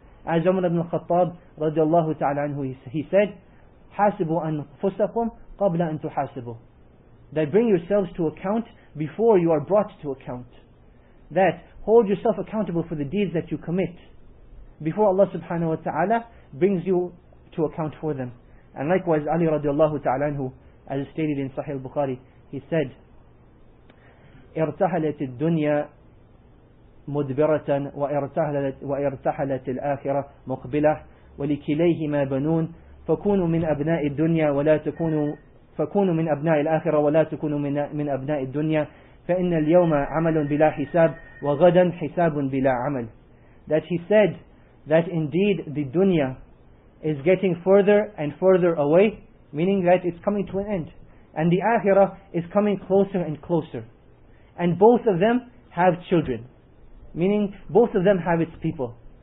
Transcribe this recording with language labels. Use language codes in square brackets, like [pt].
[en] As Umar ibn al-Khattab radiallahu ta'ala anhu, he said, [ar] حَاسِبُوا أَنفُسَكُمْ قَبْلَ أَن تُحَاسِبُوا. [en] That bring yourselves to account before you are brought to account. That hold yourself accountable for the deeds that you commit before Allah subhanahu wa ta'ala brings you to account for them. And likewise, Ali radiallahu ta'ala anhu, as stated in Sahih al-Bukhari, he said, [ar] اِرْتَحَلَتِ الدُّنْيَا مُدْبِرَةً وَإِرْتَحَلَتِ الْآخِرَةِ مُقْبِلَةً وَلِكِلَيْهِمَا بَنُونَ فَكُونُوا مِنْ أَبْنَاءِ الدُّنْيَا وَلَا تَكُونُوا فكونوا من أبناء الآخرة ولا تكونوا من أبناء الدنيا فإن اليوم عمل بلا حساب وغدا حساب بلا عمل. [en] That he said that indeed the dunya is getting further and further away, meaning that it's coming to an end, and the akhirah is coming closer and closer, and both of them have children, meaning both of them have its people.